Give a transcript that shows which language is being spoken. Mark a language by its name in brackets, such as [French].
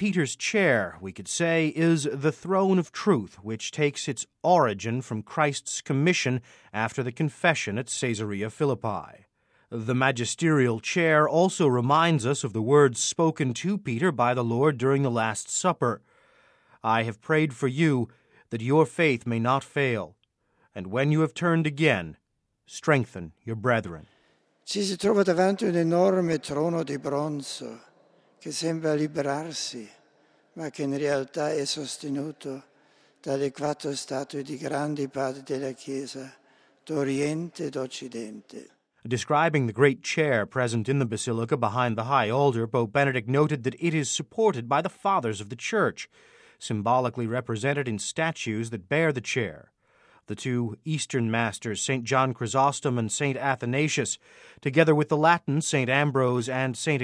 [English] Peter's chair, we could say, is the throne of truth, which takes its origin from Christ's commission after the confession at Caesarea Philippi. The magisterial chair also reminds us of the words spoken to Peter by the Lord during the Last Supper. I have prayed for you that your faith may not fail, and when you have turned again, strengthen your brethren. [Italian] Ci si trova davanti un enorme trono di bronzo che sembra liberarsi, ma che in realtà è sostenuto dalle quattro statue di grandi padri della Chiesa, d'Oriente e d'Occidente. [English] Describing the great chair present in the basilica behind the high altar, Pope Benedict noted that it is supported by the fathers of the Church, symbolically represented in statues that bear the chair. The two Eastern masters, St. John Chrysostom and St. Athanasius, together with the Latin St. Ambrose and St.